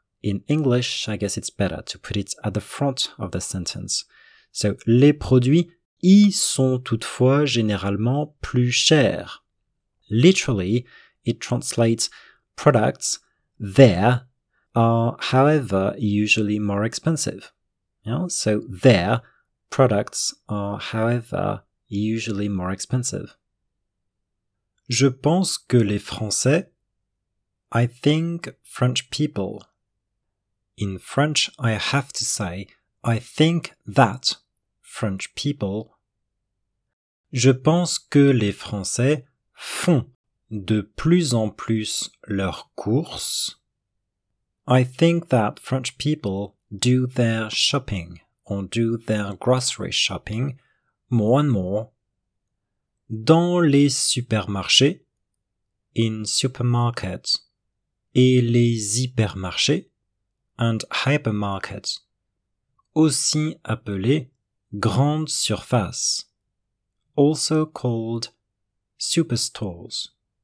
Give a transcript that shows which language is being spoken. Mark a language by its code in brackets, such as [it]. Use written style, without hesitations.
[en] In English, I guess it's better to put it at the front of the sentence. [fr] So, les produits y sont toutefois généralement plus chers. [en] Literally, it translates products there are however usually more expensive. Yeah? So, there products are however usually more expensive. [fr] Je pense que les Français, [en] I think French people. In French, I have to say, I think that French people. [fr] Je pense que les Français font de plus en plus leurs courses. [en] I think that French people do their shopping or do their grocery shopping more and more. [fr] Dans les supermarchés, [en] in supermarkets, [fr] et les hypermarchés, [en] and hypermarkets, [fr] aussi appelés grandes surfaces, [en] also called superstores.